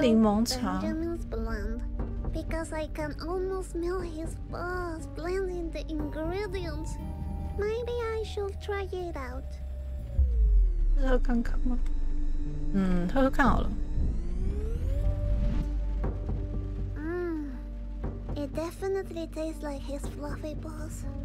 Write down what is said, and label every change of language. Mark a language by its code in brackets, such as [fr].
[en] Benjamin's blend because I can almost smell his boss blending the ingredients. Maybe I should try it out. [zh] 喝看看吗？嗯，喝喝看好了。 [en] It definitely tastes like his fluffy boss.